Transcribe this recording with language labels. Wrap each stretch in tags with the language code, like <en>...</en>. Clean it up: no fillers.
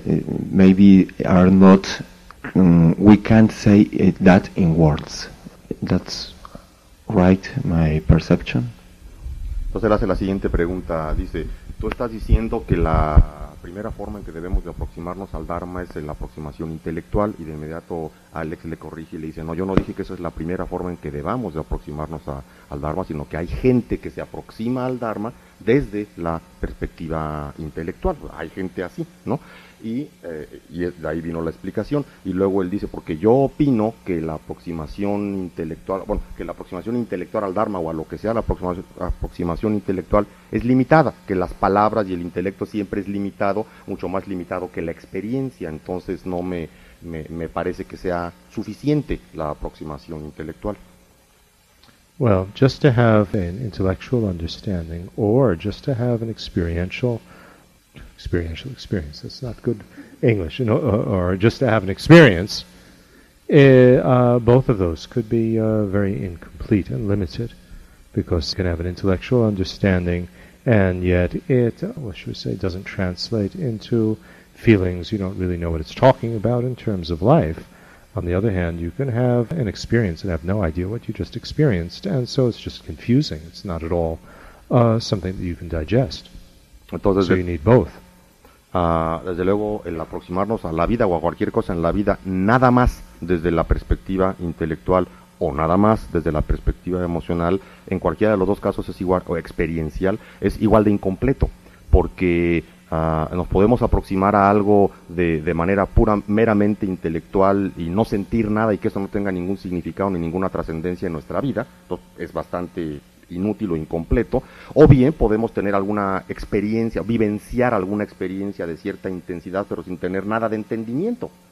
<en>Maybe are not, we can't say it, that in words. That's right, my perception.</en> <es>Entonces hace la siguiente pregunta, dice: tú estás diciendo que la primera forma en que debemos de aproximarnos al Dharma es la aproximación intelectual, y de inmediato Alex le corrige y le dice: no, yo no dije que esa es la primera forma en que debamos de aproximarnos al Dharma, sino que hay gente que se aproxima al Dharma desde la perspectiva intelectual. Hay gente así, ¿no? Y de ahí vino la explicación. Y luego él dice: porque yo opino que la aproximación intelectual, bueno, que la aproximación intelectual al Dharma o a lo que sea la aproximación intelectual es limitada, que las palabras y el intelecto siempre es limitado, mucho más limitado que la experiencia. Entonces no me parece que sea suficiente la aproximación intelectual.</es> <en>Well, just to have an intellectual understanding or just to have an experiential experience, that's not good English, you know, or just to have an experience, both of those could be very incomplete and limited, because you can have an intellectual understanding and yet it, what should we say, doesn't translate into feelings. You don't really know what it's talking about in terms of life. On the other hand, you can have an experience and have no idea what you just experienced, and so it's just confusing. It's not at all something that you can digest.</en> <es>Entonces,</es> <en>so you need both.</en> <es>Desde luego, el aproximarnos a la vida o a cualquier cosa en la vida, nada más desde la perspectiva intelectual o nada más desde la perspectiva emocional, en cualquiera de los dos casos es igual, o experiencial, es igual de incompleto, porque nos podemos aproximar a algo de manera pura, meramente intelectual y no sentir nada y que eso no tenga ningún significado ni ninguna trascendencia en nuestra vida, entonces es bastante inútil o incompleto, o bien podemos tener alguna experiencia, vivenciar alguna experiencia de cierta intensidad, pero sin tener nada de entendimiento.</es>